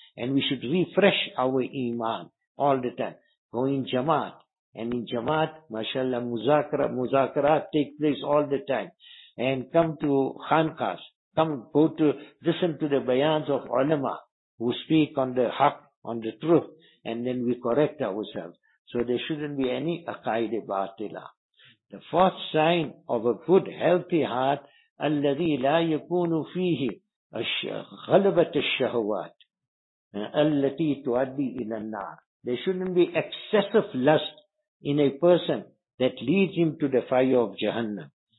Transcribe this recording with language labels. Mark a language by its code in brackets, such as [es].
[en] And we should refresh our iman all the time. Go in jamaat. And in jamaat, mashallah, muzakarat take place all the time. And come to khanqas. Come, go to, listen to the bayans of ulama who speak on the haq, on the truth. And then we correct ourselves. So there shouldn't be any aqaide batila. The fourth sign of a good, healthy heart, [ar] الَّذِي لَا يَكُونُ فِيهِ غَلَبَةَ الشَّهُوَاتِ الَّتِي تُعَدِّي إِلَى النَّارِ. [en] There shouldn't be excessive lust in a person that leads him to the fire of Jahannam.